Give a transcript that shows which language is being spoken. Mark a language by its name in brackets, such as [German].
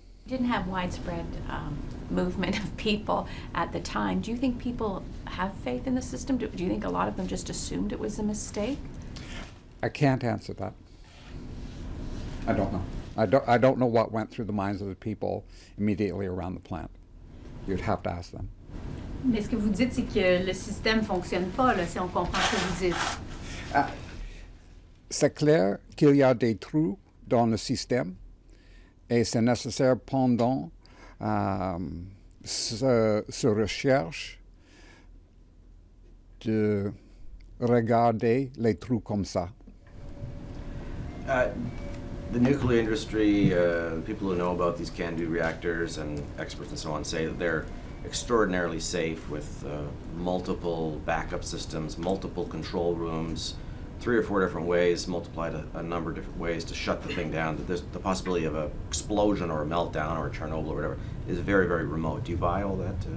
[English] didn't have widespread movement of people at the time. Do you think people have faith in the system? Do you think a lot of them just assumed it was a mistake? I can't answer that. I don't know. I don't know what went through the minds of the people immediately around the plant. You'd have to ask them. [French] Mais ce que vous dites, c'est que le système ne fonctionne pas, là, si on comprend ce que vous dites. C'est clair qu'il y a des trous dans le système et c'est nécessaire pendant ce recherche de regarder les trous comme ça. [English] The nuclear industry, people who know about these CANDU reactors and experts and so on say that they're extraordinarily safe with multiple backup systems, multiple control rooms, three or four different ways, multiplied a number of different ways to shut the thing down, that the possibility of an explosion or a meltdown or a Chernobyl or whatever is very, very remote. Do you buy all that?